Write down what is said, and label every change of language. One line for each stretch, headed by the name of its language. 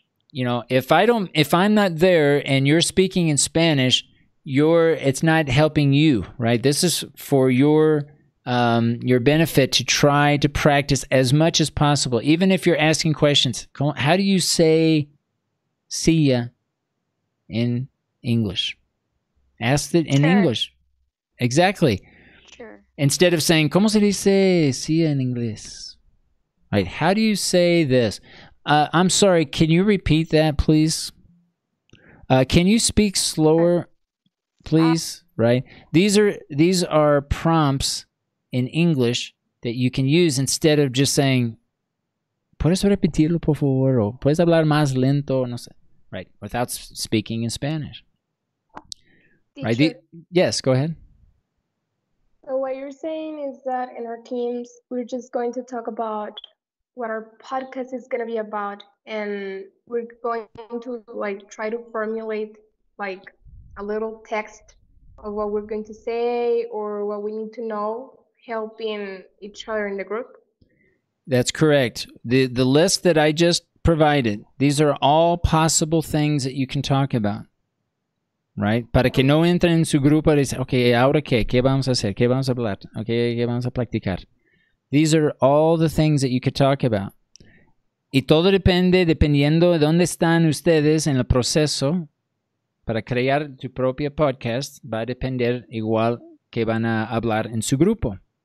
English: You know, if I'm not there and you're speaking in Spanish, it's not helping you, right? This is for your benefit to try to practice as much as possible. Even if you're asking questions, how do you say see ya in English? Ask it in English. Exactly. Instead of saying,
Spanish: ¿cómo se dice sí en inglés?
English: Right, how do you say this? I'm sorry, can you repeat that, please? Can you speak slower, please? Right, these are prompts in English that you can use instead of just saying,
Spanish: ¿puedes repetirlo, por favor? O ¿puedes hablar más lento? No sé.
English: Right, without speaking in Spanish. Right. Yes, go ahead. So what you're saying is that in our teams, we're just going to talk about what our podcast is going to be about, and we're going to like try to formulate like a little text of what we're going to say or what we need to know, helping each other in the group. That's correct. The list that I just provided, these are all possible things that you can talk about. Right?
Spanish: Para que no entre en su grupo, dice, ok, ¿ahora qué? ¿Qué vamos a hacer? ¿Qué vamos a hablar? Ok, ¿qué vamos a practicar?
English: These are all the things that you could talk about.
Spanish: Y todo dependiendo de dónde están ustedes en el proceso para crear tu propio podcast, va a depender igual que van a hablar en su grupo.